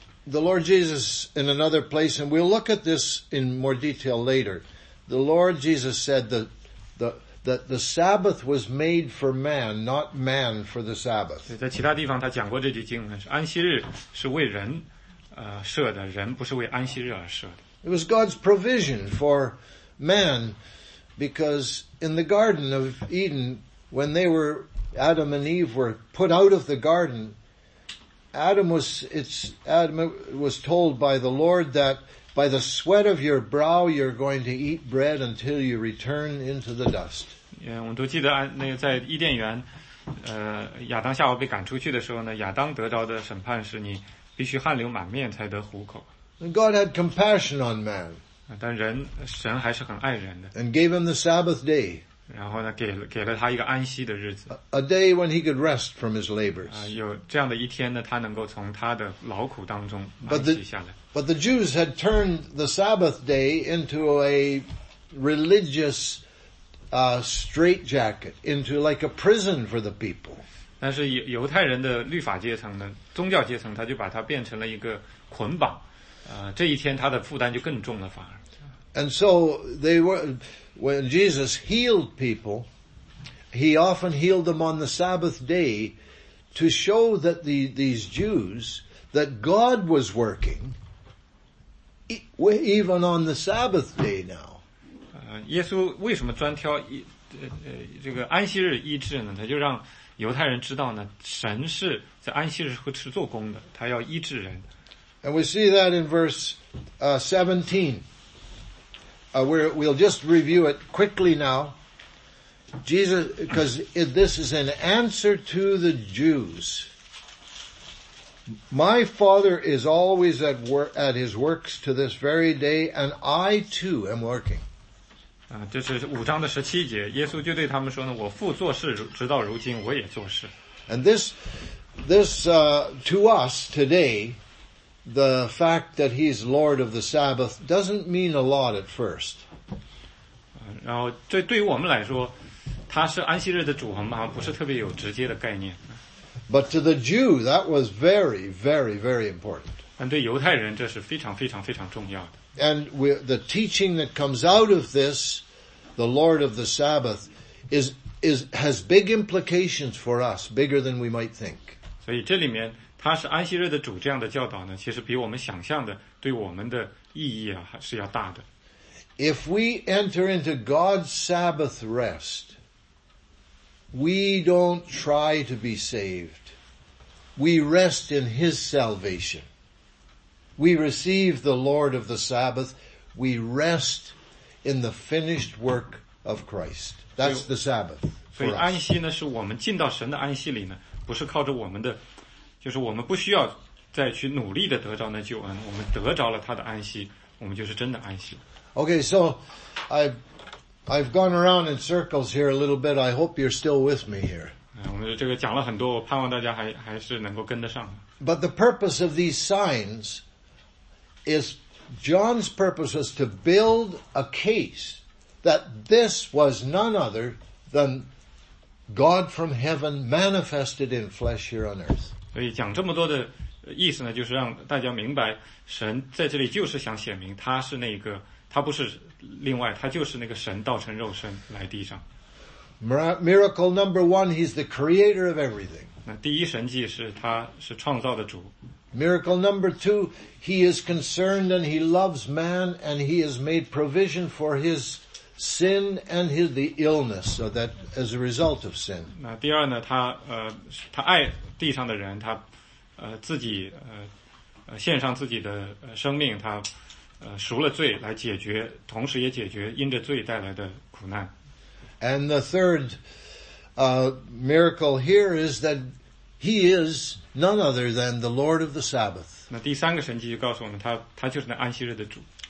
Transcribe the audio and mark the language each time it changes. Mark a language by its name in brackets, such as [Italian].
[English] The Lord Jesus in another place, and we'll look at this in more detail later. The Lord Jesus said that the Sabbath was made for man, not man for the Sabbath. [Chinese] 在其他地方他讲过这句经文，安息日是为人设的，人不是为安息日而设的。 [English] It was God's provision for man, because in the Garden of Eden, when they were Adam and Eve were put out of the garden, Adam was told by the Lord that by the sweat of your brow you're going to eat bread until you return into the dust. [Chinese] Yeah, 我们都记得那个在伊甸园，亚当夏娃被赶出去的时候呢，亚当得着的审判是你必须汗流满面才得糊口。 [English] And God had compassion on man. [Chinese] 但人神还是很爱人的。 [English] And gave him the Sabbath day. [Chinese] 然后呢，给了他一个安息的日子。 [English] A day when he could rest from his labors. [Chinese] 有这样的一天呢，他能够从他的劳苦当中安息下来。 [English] But the Jews had turned the Sabbath day into a religious straitjacket, into like a prison for the people. [Chinese] 但是犹太人的律法阶层呢，宗教阶层，他就把它变成了一个捆绑。这一天他的负担就更重了，反而。 [English] And so they were, when Jesus healed people, he often healed them on the Sabbath day to show that these Jews, that God was working even on the Sabbath day now. [Chinese] 耶稣为什么专挑这个安息日医治呢？他就让犹太人知道呢，神是在安息日会是做工的，他要医治人。 [English] And we see that in verse 17. We'll just review it quickly now. Jesus, because this is an answer to the Jews. My Father is always at work, at his works to this very day, and I too am working. [Chinese] 这是五章的十七节，耶稣就对他们说呢，我父做事直到如今，我也做事。 [English] And this to us today, the fact that he's Lord of the Sabbath doesn't mean a lot at first. [Chinese] 然后对于我们来说，他是安息日的主，我们好像不是特别有直接的概念。 [English] But to the Jew, that was very, very, very important. [Chinese] 但对犹太人，这是非常非常非常重要的。 [English] And the teaching that comes out of this, the Lord of the Sabbath, has big implications for us, bigger than we might think. [Chinese] 所以这里面他是安息日的主这样的教导呢，其实比我们想象的对我们的意义啊还是要大的。 [English] If we enter into God's Sabbath rest, we don't try to be saved. We rest in His salvation. We receive the Lord of the Sabbath. We rest in the finished work of Christ. That's the Sabbath. [Chinese] 所以安息呢，是我们进到神的安息里呢，不是靠着我们的。就是我们不需要再去努力的得着那救恩，我们得着了他的安息，我们就是真的安息。 [English] Okay, so I've gone around in circles here a little bit. I hope you're still with me here. [Chinese] 我们这个讲了很多，我盼望大家还是能够跟得上。 [English] But the purpose of these signs is John's purpose was to build a case that this was none other than God from heaven manifested in flesh here on earth. [Chinese] 所以讲这么多的意思呢，就是让大家明白神在这里就是想显明他是那个，他不是另外，他就是那个神道成肉身来地上。 [English] Miracle number one, he's the creator of everything. [Chinese] 那第一神迹是他是创造的主。 [English] Miracle number two, he is concerned and he loves man and he has made provision for his sin and his, the illness so that as a result of sin. [Chinese] 那第二呢，他他爱地上的人，他自己献上自己的生命，他赎了罪来解决，同时也解决因着罪带来的苦难。 [English] And the third miracle here is that he is none other than the Lord of the Sabbath. [Chinese] 那第三个神迹就告诉我们，他就是那安息日的主。